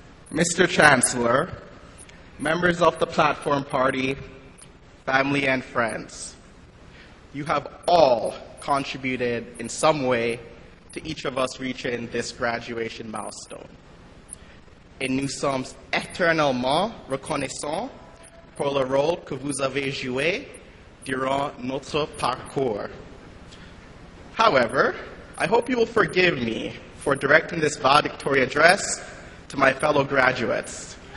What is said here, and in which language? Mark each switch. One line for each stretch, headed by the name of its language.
English: Mr. Chancellor, members of the Platform Party, family and friends, you have all contributed in some way to each of us reaching this graduation milestone.
French: Et nous sommes éternellement reconnaissants pour le rôle que vous avez joué durant notre parcours.
English: However, I hope you will forgive me for directing this valedictory address to my fellow graduates.